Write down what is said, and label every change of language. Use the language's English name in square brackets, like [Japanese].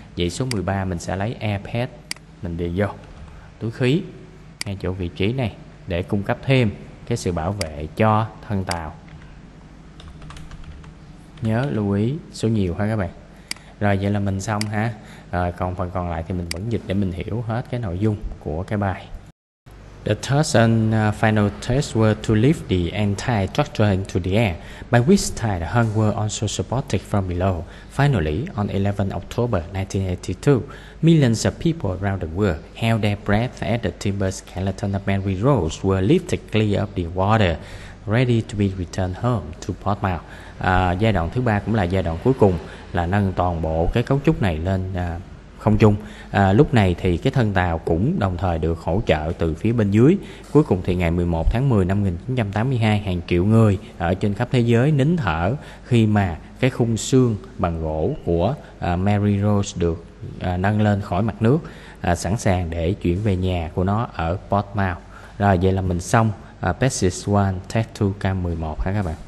[Vietnamese] Vậy số 13 mình sẽ lấy airpad mình đi vô túi khí ngay chỗ vị trí này để cung cấp thêm cái sự bảo vệ cho thân tàu. Nhớ lưu ý số nhiều ha các bạn. Rồi vậy là mình xong ha. Rồi còn phần còn lại thì mình vẫn dịch để mình hiểu hết cái nội dung của cái bài. [English] The third and final test were to lift the entire structure into the air, by which time the hull were also supported from below. Finally, on 11 October 1982, millions of people around the world held their breath as the timber skeleton of Mary Rose were lifted clear of the water, ready to be returned home to Portsmouth. [Vietnamese] Giai đoạn thứ ba cũng là giai đoạn cuối cùng, là nâng toàn bộ cái cấu trúc này lên không trung. Lúc này thì cái thân tàu cũng đồng thời được hỗ trợ từ phía bên dưới. Cuối cùng thì ngày 11 tháng 10 năm 1982, hàng triệu người ở trên khắp thế giới nín thở khi mà cái khung xương bằng gỗ của Mary Rose được nâng lên khỏi mặt nước, sẵn sàng để chuyển về nhà của nó ở Portsmouth. Rồi vậy là mình xong Passage 1, Test 2, K11 ha các bạn.